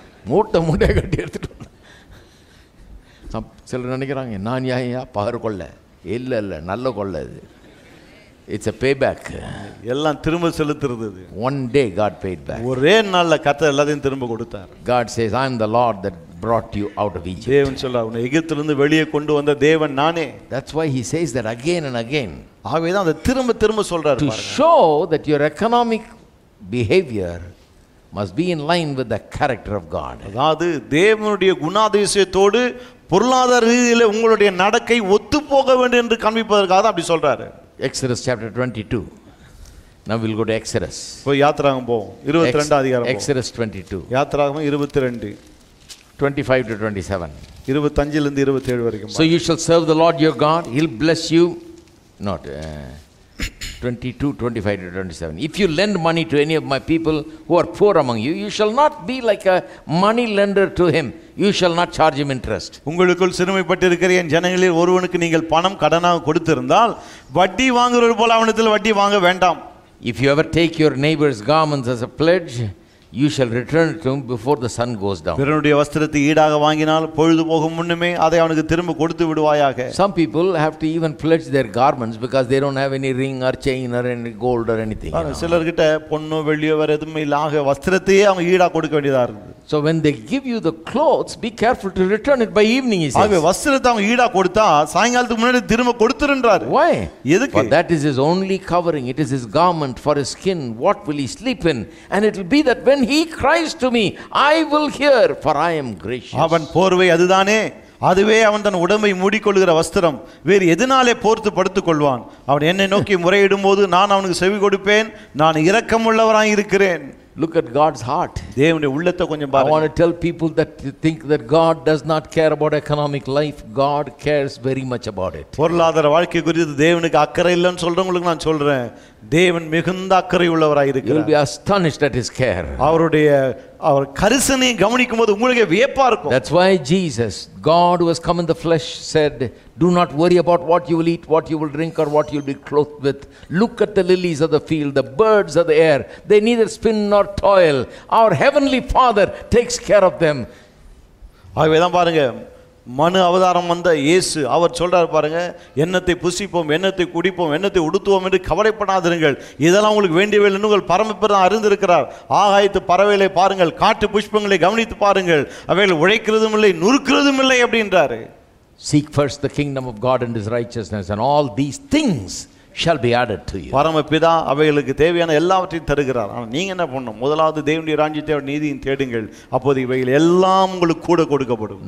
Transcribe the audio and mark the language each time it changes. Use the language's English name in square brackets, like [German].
[Tamil] மூட்டை மூட்டை கட்டி எடுத்துட்டு சிலர் நினைக்கிறாங்க நான் யாயா பகர் கொள்ள இல்லை இல்லை நல்ல கொள்ள அது. [English] It's a payback. [Tamil] எல்லாம் திரும்ப செலுத்துறது. [English] One day God paid back. [Tamil] ஒரே நாள்ல கர்த்தர் எல்லாத்தையும் திரும்ப கொடுத்தார். [English] God says I am the Lord that brought you out of Egypt. [Tamil] தேவன் சொல்றார் உன்னை எகிப்தில இருந்து வெளியே கொண்டு வந்த தேவன் நானே. [English] That's why he says that again and again. [Tamil] ஆகவே தான் அதை திரும்ப திரும்ப சொல்றாரு. [English] To show that your economic behavior must be in line with the character of God. [Tamil] அதாவது தேவனுடைய குணாதிசயத்தோடு பொருளாதார ரீதியில உங்களுடைய நடக்கை ஒத்து போக வேண்டும் என்று காண்பிப்பதற்காக அப்படி சொல்றாரு. [English] Exodus chapter 22. Now we'll go to Exodus. [Tamil] போய் யாத்திராகம் போவோம். 22 [English] Exodus 22. [Tamil] யாத்திராகம் 22. [English] 25 to 27. [Tamil] 25-27 வரைக்கும். [English] So you shall serve the Lord your God. He'll bless you. Not 22-25-27. If you lend money to any of my people who are poor among you, you shall not be like a money lender to him. You shall not charge him interest. [Tamil] உங்களுக்குள் சிறுமைப்பட்டிருக்கிற என் ஜனங்களில் ஒருவனுக்கு நீங்கள் பணம் கடனாக கொடுத்திருந்தால் வட்டி வாங்குறவர் போல அவனிடத்தில் வட்டி வாங்க வேண்டாம். [English] If you ever take your neighbor's garments as a pledge, you shall return it to him before the sun goes down. [Tamil] பிறனுடைய வஸ்திரத்தை ஈடாக வாங்கினால் பொழுது போகும் முன்னமே அதை அவனுக்கு திரும்ப கொடுத்து விடுவாயாக. [English] Some people have to even pledge their garments because they don't have any ring or chain or any gold or anything. [Tamil] சிலர்கிட்ட பொன்னோ வெள்ளியோ வேற எதுமே இல்லாக வஸ்திரத்தையே அவங்க ஈடா கொடுக்க வேண்டியதா இருக்கு. [English] So when they give you the clothes, be careful to return it by evening, he says. [Tamil] அவங்க வஸ்திரத்தை அவங்க ஈடா கொடுத்தா சாயங்காலத்துக்கு முன்னாடி திரும்ப கொடுத்துறன்றாரு. [English] Why? [Tamil] எதுக்கு? [English] For that is his only covering. It is his garment for his skin. What will he sleep in? And it will be that when he cries to me, I will hear, for I am gracious. [Tamil] அவன் போர்வை அதுதானே. அதுவே அவன் தன் உடம்பை மூடிக்கொள்கிற வஸ்திரம். வேறு எதனாலே போர்த்து படுத்துக் கொள்வான்? அவன் என்னை நோக்கி முறையிடும் போது நான் அவனுக்கு செவி கொடுப்பேன். நான் இரக்கம் உள்ளவராய் இருக்கிறேன். [English] Look at God's heart. [Tamil] தேவனுடைய உள்ளத்தை கொஞ்சம் பாருங்க. [English] I want to tell people that think that God does not care about economic life. God cares very much about it. [Tamil] பொருளாதார வாழ்க்கை குறித்து தேவனுக்கு அக்கறை இல்லைன்னு சொல்றவங்களுக்கு நான் சொல்றேன். தேவன் மிகுந்த அக்கறை உள்ளவராய் இருக்கிறார். [English] You will be astonished at his care. [Tamil] அவருடைய அவர் கரிசனையை கவனிக்கும் போது உங்களுக்கு வியப்பா இருக்கும். [English] That's why Jesus, God who has come in the flesh, said, Do not worry about what you will eat, what you will drink, or what you will be clothed with. Look at the lilies of the field, the birds of the air. They neither spin nor toil. Our heavenly Father takes care of them. [Tamil] ஆகவே தான் பாருங்க மனு அவதாரம் வந்த இயேசு அவர் சொல்றாரு பாருங்க, எண்ணத்தை புசிப்போம், எண்ணத்தை குடிப்போம், எண்ணத்தை உடுத்துவோம் என்று கவலைப்படாதிருங்கள், இதெல்லாம் உங்களுக்கு வேண்டியவில்லை, உங்கள் பரமபிதா அறிந்திருக்கிறார். ஆகாயத்து பறவைகளை பாருங்கள், காட்டு புஷ்பங்களை கவனித்து பாருங்கள், அவைகள் உழைக்கிறதும் இல்லை நுறுக்கிறதும் இல்லை அப்படின்றாரு. [English] Seek first the kingdom of God and his righteousness and all these things shall be added to you. [Tamil] பரமபிதா அவைகளுக்கு தேவையான எல்லாவற்றையும் தருகிறார். ஆனா நீங்க என்ன பண்ணணும், முதலாவது தேவனுடைய ராஜ்யத்தை நீதியின் தேடுங்கள், அப்போது இவைகள் எல்லாம் உங்களுக்கு கூட கொடுக்கப்படும்.